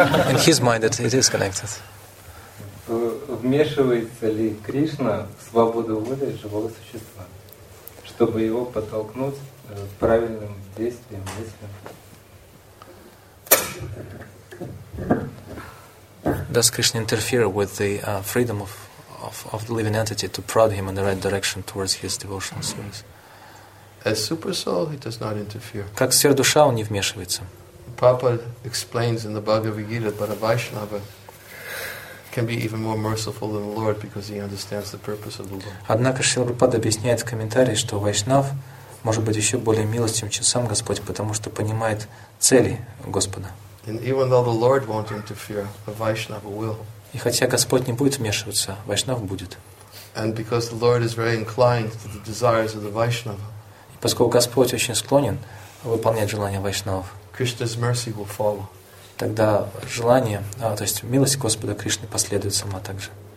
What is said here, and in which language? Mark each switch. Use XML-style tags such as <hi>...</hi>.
<en>In his mind, it is connected.</en> <ru>Вмешивается ли Кришна в свободу воли живого существа, чтобы его подтолкнуть правильным действием, мыслям?</ru> <en>Does Krishna interfere with the freedom of the living entity to prod him in the right direction towards his devotional service? As super soul, he does not interfere.</en> <ru>Как сверхдуша он не вмешивается.</ru> <en>Papa explains in the Bhagavad Gita that a Vaishnava can be even more merciful than the Lord because he understands the purpose of the Lord.</en> <ru>Однако Шрила Прабхупада объясняет в комментарии, что Вайшнав может быть еще более милостивым, чем сам Господь, потому что понимает цели Господа.</ru> <en>And even though the Lord won't interfere, a Vaishnava will.</en> <ru>И хотя Господь не будет вмешиваться, Вайшнав будет.</ru> <en>And because the Lord is very inclined to the desires of the Vaishnava.</en> <ru>И поскольку Господь очень склонен выполнять желания Вайшнавов.</ru> <en>Krishna's mercy will follow.</en> <ru>Тогда желание, то есть милость Господа Кришны последует сама также.</ru>